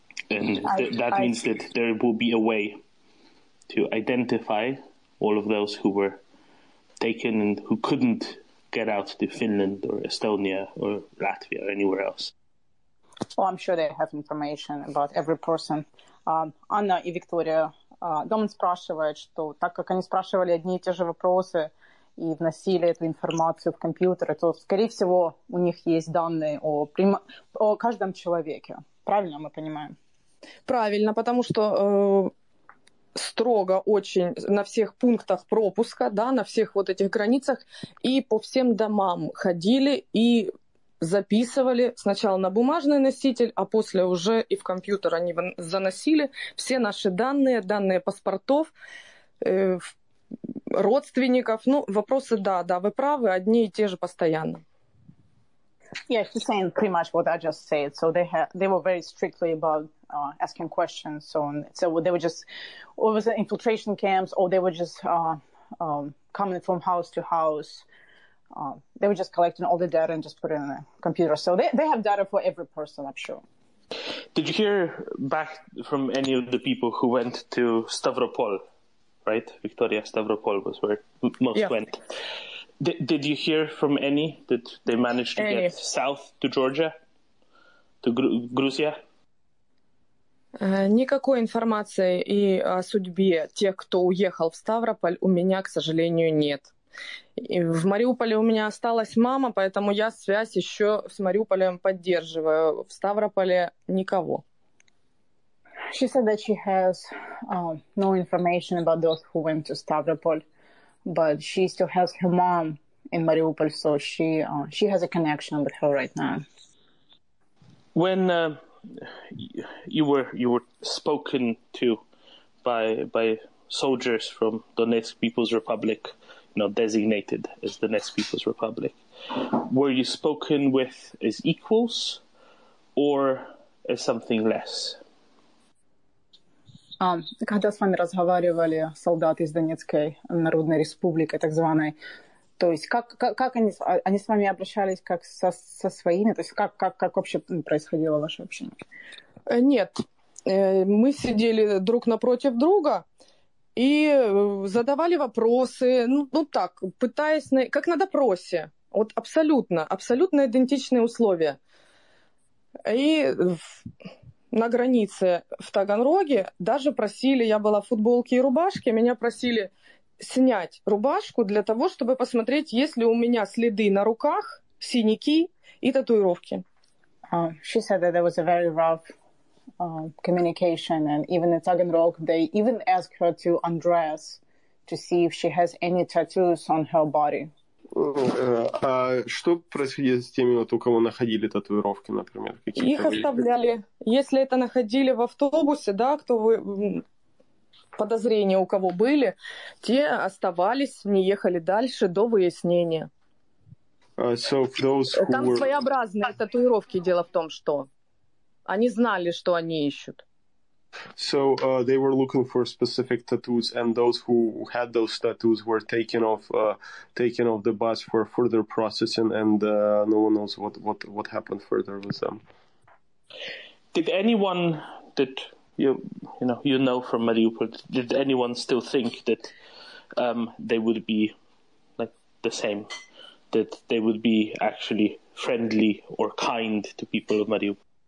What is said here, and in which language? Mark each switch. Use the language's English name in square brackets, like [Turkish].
[English] And that means that there will be a way to identify all of those who were taken and who couldn't get out to Finland or Estonia or Latvia or anywhere else. Well, I'm sure they have information about every person. [Russian] Anna and Victoria, Домен спрашивает, что так как они спрашивали одни и те же вопросы и вносили эту информацию в компьютеры, то, скорее всего, у них есть данные о каждом человеке. Правильно мы понимаем? Правильно, потому что строго очень на всех пунктах пропуска, да, на всех вот этих границах, и по всем домам ходили и записывали сначала на бумажный носитель, а после уже и в компьютер они заносили все наши данные, данные паспортов, родственников. Ну, вопросы, да, да, вы правы, одни и те же постоянно. [English] Yeah, she's saying pretty much what I just said. So they were very strictly about asking questions. So they were just, what was it, infiltration camps, or they were just coming from house to house. They were just collecting all the data and just put it in a computer. So they have data for every person, I'm sure. Did you hear back from any of the people who went to Stavropol, right? Victoria, Stavropol was where most went. Did you hear from any that they managed to get south to Georgia, to Grузия? [Russian] Никакой информации и о судьбе тех, кто уехал в Ставрополь, у меня, к сожалению, нет. И в Мариуполе у меня осталась мама, поэтому я связь еще с Мариуполем поддерживаю. В Ставрополе никого. [English] She said that she has no information about those who went to Stavropol, but she still has her mom in Mariupol, so she has a connection with her right now. When you were spoken to by soldiers from Donetsk People's Republic, not designated as the Donetsk People's Republic, were you spoken with as equals or as something less? [Russian] Когда с вами разговаривали солдаты из Донецкой Народной Республики, так званой, то есть как они с вами обращались как со своими, то есть как вообще происходило ваше общение? Нет, мы сидели друг напротив друга, и задавали вопросы, ну так, пытаясь, как на допросе. Вот абсолютно идентичные условия. И на границе в Таганроге даже просили, я была в футболке и рубашке, меня просили снять рубашку для того, чтобы посмотреть, есть ли у меня следы на руках, синяки и татуировки. [English] She said that there was a very rough communication, and even in Taganrog they even asked her to undress to see if she has any tattoos on her body. [Russian] А что происходило с теми, вот, у кого находили татуировки, например? Какие-то их оставляли. Были? Если это находили в автобусе, да, кто вы, подозрения у кого были, те оставались, не ехали дальше до выяснения. [English] So those who [Russian] там [English] were [Russian] своеобразные татуировки, дело в том, что Они знали, что они ищут. [English] So they were looking for specific tattoos, and those who had those tattoos were taken off the bus for further processing, and no one knows what happened further with them. Did anyone that you know from Mariupol, did anyone still think that they would be like the same, that they would be actually friendly or kind to people of Mariupol?